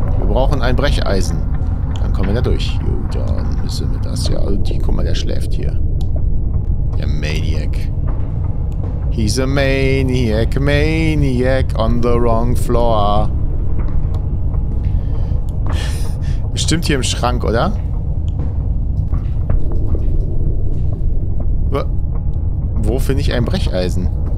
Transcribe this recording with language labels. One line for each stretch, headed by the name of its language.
German: Wir brauchen ein Brecheisen. Dann kommen wir da durch. Jo, dann müssen wir das ja. Guck mal, der schläft hier. Der Maniac.
English: He's a maniac, maniac on the wrong floor.
German: Bestimmt hier im Schrank, oder? Wo finde ich ein Brecheisen?